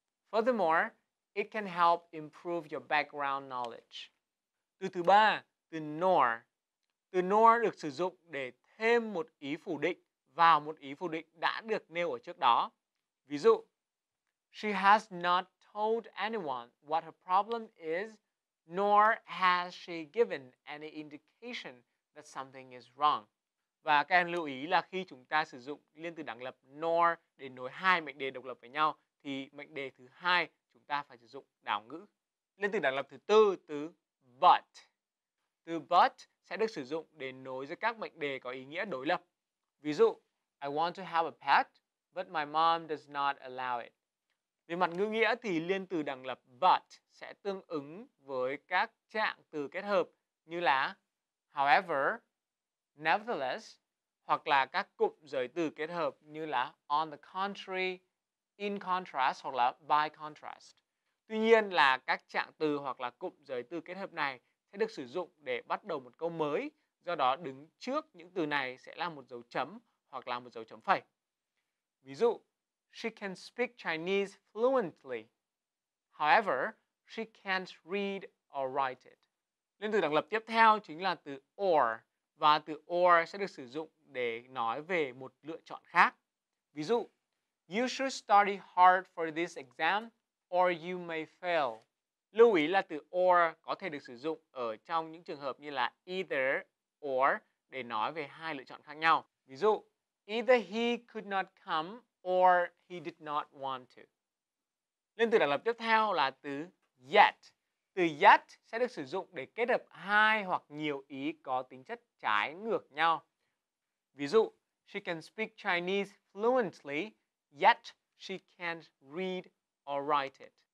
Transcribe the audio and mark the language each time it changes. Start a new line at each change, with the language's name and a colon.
English: Furthermore, it can help improve your background knowledge.
Vietnamese: Từ thứ ba, từ nor. Từ nor được sử dụng để thêm một ý phủ định vào một ý phủ định đã được nêu ở trước đó. Ví dụ,
English: she has not told anyone what her problem is, nor has she given any indication that something is wrong.
Vietnamese: Và các em lưu ý là khi chúng ta sử dụng liên từ đẳng lập nor để nối hai mệnh đề độc lập với nhau, thì mệnh đề thứ hai chúng ta phải sử dụng đảo ngữ. Liên từ đẳng lập thứ tư, từ but. Từ but sẽ được sử dụng để nối giữa các mệnh đề có ý nghĩa đối lập. Ví dụ,
English: I want to have a pet, but my mom does not allow it.
Vietnamese: Về mặt ngữ nghĩa thì liên từ đẳng lập but sẽ tương ứng với các trạng từ kết hợp như là however, nevertheless, hoặc là các cụm giới từ kết hợp như là
English: on the contrary, in contrast
Vietnamese: hoặc là
English: by contrast.
Vietnamese: Tuy nhiên là các trạng từ hoặc là cụm giới từ kết hợp này sẽ được sử dụng để bắt đầu một câu mới, do đó đứng trước những từ này sẽ là một dấu chấm hoặc là một dấu chấm phẩy. Ví dụ,
English: she can speak Chinese fluently. However, she can't read or write it.
Vietnamese: Liên từ đẳng lập tiếp theo chính là từ or, và từ or sẽ được sử dụng để nói về một lựa chọn khác. Ví dụ,
English: you should study hard for this exam or you may fail.
Vietnamese: Lưu ý là từ or có thể được sử dụng ở trong những trường hợp như là either or để nói về hai lựa chọn khác nhau. Ví dụ,
English: either he could not come or he did not want to.
Vietnamese: Liên từ đẳng lập tiếp theo là từ yet. Từ yet sẽ được sử dụng để kết hợp hai hoặc nhiều ý có tính chất trái ngược nhau. Ví dụ,
English: she can speak Chinese fluently, yet she can't read or write it.